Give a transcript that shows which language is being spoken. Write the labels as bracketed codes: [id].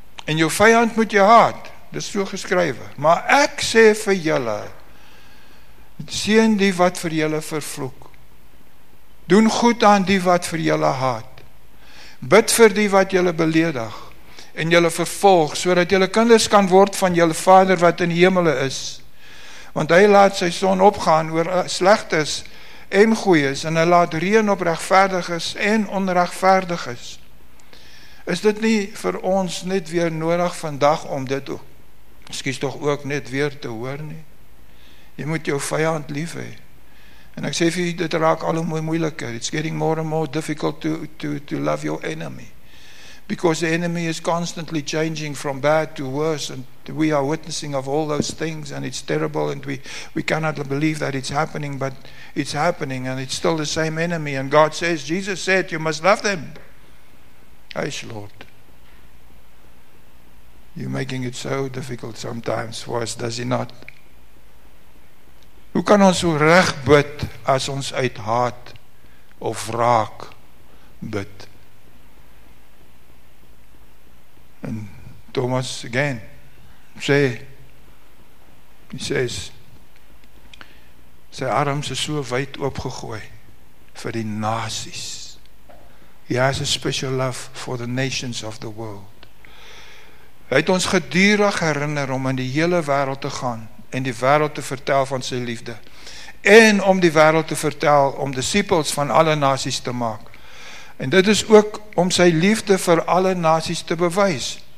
[af] en jou vijand moet jy haat, dit is so geskrywe, maar ek sê vir jylle, seën die wat vir jylle vervloek, doen goed aan die wat vir jylle haat, bid vir die wat jylle beledig, en jylle vervolg, so dat jylle kinders kan word van jylle vader wat in hemele is, want hy laat sy son opgaan oor slegtes en goeies, en hy laat reën op regverdiges en onregverdiges. Is dit nie vir ons net weer nodig vandag om dit ook, miskien toch ook net weer te hoor nie? Jy moet jou vijand lief hê. En ek sê vir jy, dit raak al hoe moeiliker. [en] It's getting more and more difficult to love your enemy. Because the enemy is constantly changing from bad to worse, and we are witnessing of all those things, and it's terrible, and we cannot believe that it's happening, but it's happening, and it's still the same enemy, and God says, Jesus said, you must love them. Aish, Lord. You're making it so difficult sometimes for us, does he not? [af] Hoe kan ons so reg bid, as ons uit haat of wraak bid? [en] And Thomas again says [af] sy arms is so wyd oopgegooi vir die nasies. [en] He has a special love for the nations of the world. [af] Hy het ons gedurig herinner om in die hele wêreld te gaan en die wêreld te vertel van sy liefde, en om die wêreld te vertel om disippels van alle nasies te maak. En dit is ook om sy liefde vir alle nasies te bewys.